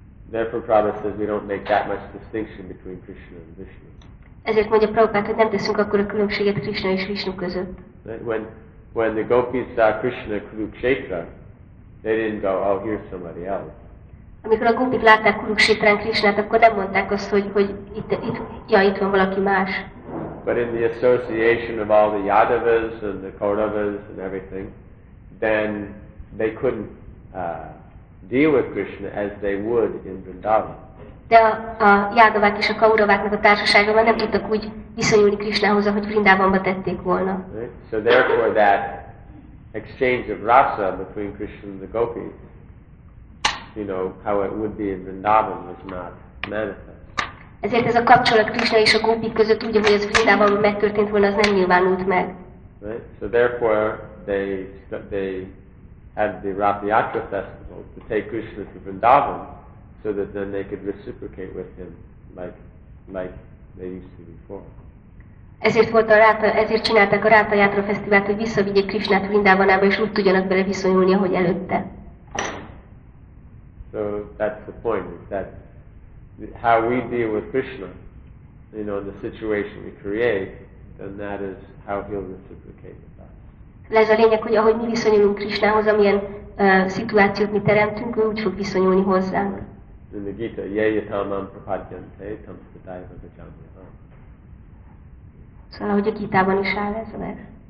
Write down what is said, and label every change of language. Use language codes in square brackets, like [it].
[en] Therefore, Prabhupada says we don't make that much distinction between Krishna and Vishnu. [hu] Ezért mondja Prabhupada, hogy nem teszünk akkora különbséget Krishna és Vishnu között. [en] When the gopis saw Krishna Kurukshetra, they didn't go, oh, here's somebody else. [hu] Amikor a gopik látták Kurukshetrán Krishnát, akkor nem mondták azt, hogy itt van valaki más. [en] But in the association of all the Yadavas and the Kauravas and everything, then they couldn't deal with Krishna as they would in Vrindavan. [hu] De a Yadavák és a Kauraváknak a társaságában nem tudtak úgy viszonyulni Krishnához, ahogy Vrindavanba tették volna. [en] So therefore that exchange of rasa between Krishna and the gopis, you know, how it would be in Vrindavan was not manifest. [hu] Ezért ez a kapcsolat Krishna és a gopik között úgy, ahogy ez Vrindavanban megtörtént volna, az nem nyilvánult meg. [en] So therefore they had the Ratha Yatra festival to take Krishna to Vrindavan so that then they could reciprocate with him like they used to before. [hu] Ezért volt a Ratha, ezért csinálták a Ratha Yatra festivált, hogy visszavigyék Krishnát Vrindavanába, és úgy tudjanak bele viszonyulni, ahogy előtte. [en] So that's the point, is that how we deal with Krishna, you know, the situation we create, then that is how he'll reciprocate. [hu] Ez a lényeg, hogy ahogy mi viszonyulunk Krishnához, amilyen szituációt mi teremtünk, ő úgy fog viszonyulni hozzánk. [en] In the Gita, [sa] yeyatamam prapadyante tamsvatai vajajamyaham. [hu] Szóval, ahogy a Gitában is áll ez a meg.